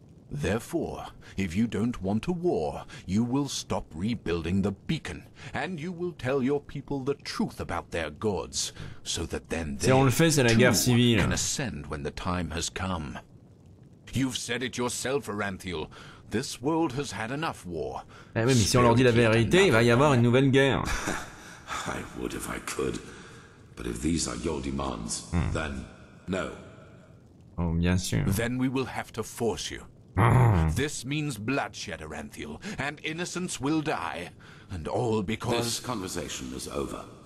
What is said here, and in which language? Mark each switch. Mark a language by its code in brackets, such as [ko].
[en] Therefore, if you don't want a war, you will stop rebuilding the beacon, and you will tell your people the truth about their gods, so that then they can ascend when the time has come. You've said it yourself, Aranthiel. This world has had enough war. [fr] Eh oui, mais si on leur dit la vérité, il va y avoir une nouvelle guerre. [en] I would if I could. But if these are your demands, then no. [fr] Oh, bien sûr. [en] Then we will have to force you. This means bloodshed, Aranthiel, and innocents will die. And all because... This conversation is over.